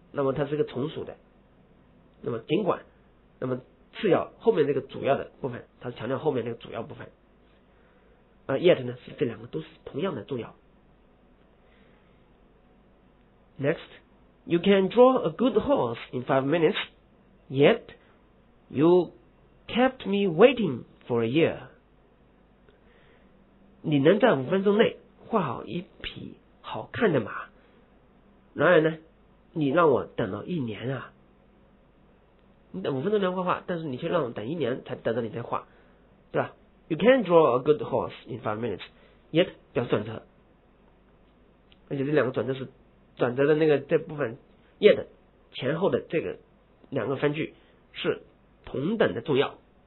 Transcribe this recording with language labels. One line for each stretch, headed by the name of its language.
Chinese: 那么它是个从属的，那么尽管，那么次要后面这个主要的部分，它是强调后面那个主要部分，而 yet 呢是这两个都是同样的重要。
English: Next, you can draw a good horse in 5 minutes, yet you kept me waiting for a year.
Chinese: 你能在5分钟内画好一匹好看的马，然而呢？你让我等了一年啊，你等5分钟才画画，但是你却让我等一年才等到你才画，对吧 ？
English: You can draw a good horse in 5 minutes,
Chinese: yet 表示转折，而且这两个转折是转折的那个这部分 yet 前后的这个两个分句是同等的重要。